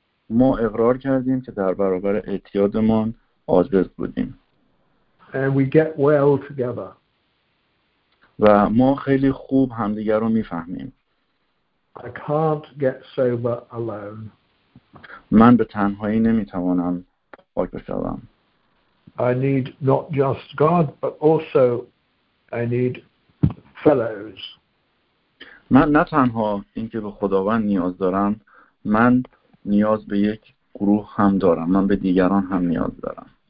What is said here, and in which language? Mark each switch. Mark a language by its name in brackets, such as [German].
[Persian] ما اقرار کردیم که در برابر اعتیادمان عاجز بودیم. [English] And we get well together. [Persian] و ما خیلی خوب همدیگر رو میفهمیم. [English] I can't get sober alone. [Persian] من به تنهایی نمیتوانم پاک بشوم. [English] I need not just God, but also I need fellows. [Persian] من نه تنها اینکه به خداوند نیاز دارم، من نیاز به یک گروه هم دارم. من به دیگران هم نیاز دارم.